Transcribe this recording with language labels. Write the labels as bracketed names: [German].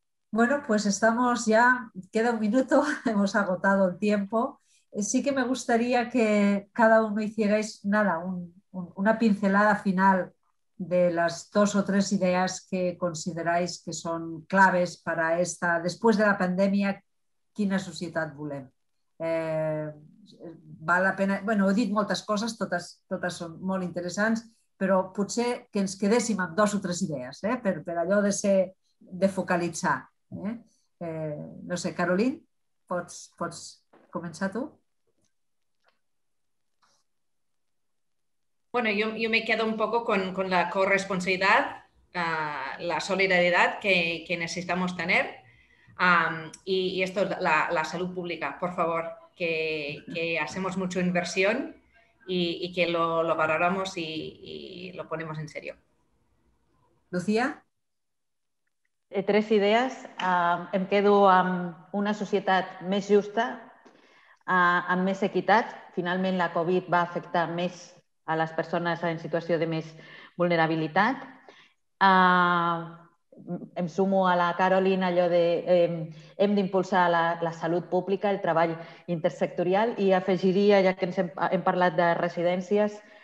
[Spanish] Bueno, pues estamos ya, queda un minuto, hemos agotado el tiempo. Sí que me gustaría que cada uno hicierais una pincelada final de las 2 o 3 ideas que consideráis que son claves para esta, después de la pandemia, [Catalan] quina societat volem. Val la pena, bueno, he dit moltes coses, totes són molt interessants, però potser que ens quedéssim amb 2 o 3 idees, per allò de ser, de focalitzar. No sé, Caroline, pots començar tu? [Spanish] Bueno, yo me quedo un poco con la corresponsabilidad, la solidaridad que necesitamos tener, y esto, la salud pública, por favor, que hacemos mucha inversión y que lo valoramos y lo ponemos en serio. Lucía? [Catalan] 3 idees. Em quedo amb una societat més justa, amb més equitat. Finalment, la Covid va afectar més a les persones en situació de més vulnerabilitat. Em sumo a la Caroline allò de hem d'impulsar la salut pública, el treball intersectorial, i afegiria, ja que hem parlat de residències,